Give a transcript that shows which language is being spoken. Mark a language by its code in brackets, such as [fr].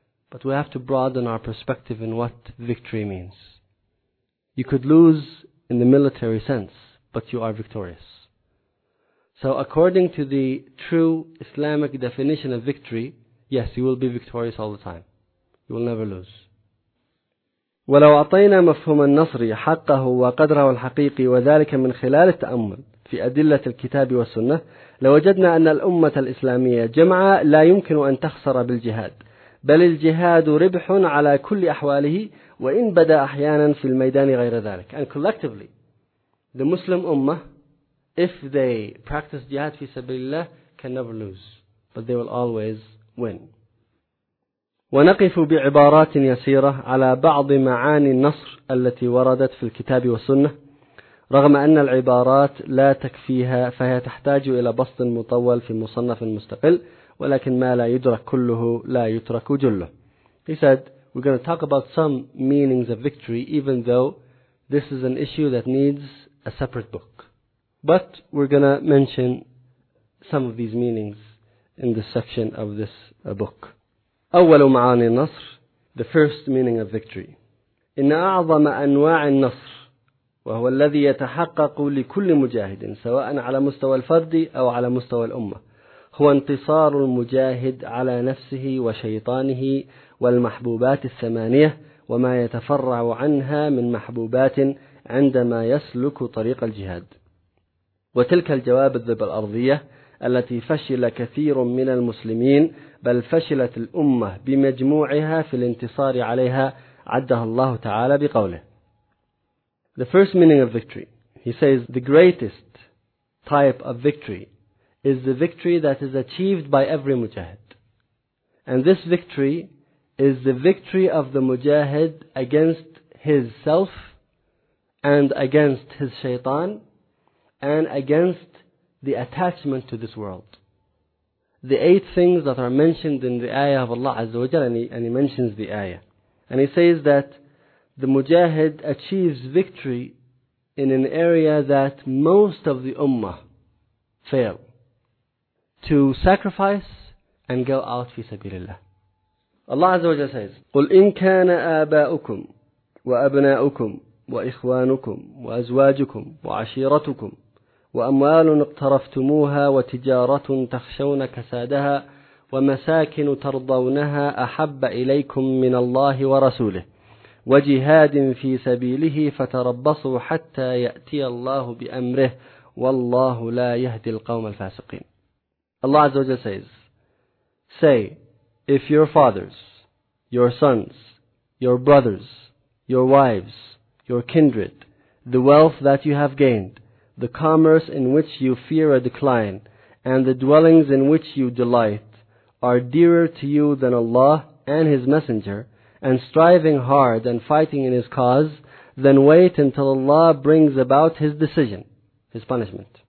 [en] But we have to broaden our perspective in what victory means. You could lose in the military sense, but you are victorious. So according to the true Islamic definition of victory, yes, you will be victorious all the time. You will never lose. [ar] وَلَوْ أَطَيْنَا مَفْهُمَ النَّصْرِ حَقَّهُ وَقَدْرَهُ الْحَقِيقِ وَذَلِكَ مِنْ خِلَالِ التَّأَمُّلِ في أدلة الكتاب والسنة لوجدنا أن الأمة الإسلامية جمعاء لا يمكن أن تخسر بالجهاد بل الجهاد ربح على كل أحواله وإن بدأ أحيانا في الميدان غير ذلك. [en] And collectively, the Muslim Ummah, if they practice jihad [ar] في سبيل الله, [en] can never lose, but they will always win. [ar] ونقف بعبارات يسيرة على بعض معاني النصر التي وردت في الكتاب والسنة رغم أن العبارات لا تكفيها فهي تحتاج إلى بسط مطول في مصنف مستقل ولكن ما لا يدرك كله لا يترك جله. [en] He said, we're going to talk about some meanings of victory even though this is an issue that needs a separate book. But we're going to mention some of these meanings in this section of this book. [ar] أول معاني النصر, [en] the first meaning of victory. [ar] إن أعظم أنواع النصر وهو الذي يتحقق لكل مجاهد سواء على مستوى الفرد أو على مستوى الأمة هو انتصار المجاهد على نفسه وشيطانه والمحبوبات الثمانية وما يتفرع عنها من محبوبات عندما يسلك طريق الجهاد وتلك الجوابذ الأرضية التي فشل كثير من المسلمين بل فشلت الأمة بمجموعها في الانتصار عليها عدها الله تعالى بقوله. [en] The first meaning of victory, he says, the greatest type of victory is the victory that is achieved by every mujahid. And this victory is the victory of the mujahid against his self and against his shaitan and against the attachment to this world. The eight things that are mentioned in the ayah of Allah Azza wa Jal, and he mentions the ayah. And he says that the mujahid achieves victory in an area that most of the ummah fail, to sacrifice and go out fi sabilillah. [ar] Allah Azza wa Jalla says, قُلْ إِنْ كَانَ آبَاؤُكُمْ وَأَبْنَاؤُكُمْ وَإِخْوَانُكُمْ وَأَزْوَاجُكُمْ وَعَشِيرَتُكُمْ وَأَمْوَالٌ اقْتَرَفْتُمُوهَا وَتِجَارَةٌ تَخْشَوْنَ كَسَادَهَا وَمَسَاكِنُ تَرْضَوْنَهَا أَحَبَّ إِلَيْكُمْ مِنَ اللَّهِ وَرَسُولِهِ وجهاد في سبيله فتربصوا حتى يأتي الله بأمره والله لا يهدي القوم الفاسقين. [en] Allah Azza wa Jalla says, say, if your fathers, your sons, your brothers, your wives, your kindred, the wealth that you have gained, the commerce in which you fear a decline, and the dwellings in which you delight, are dearer to you than Allah and His Messenger, and striving hard and fighting in his cause, then wait until Allah brings about his decision, his punishment.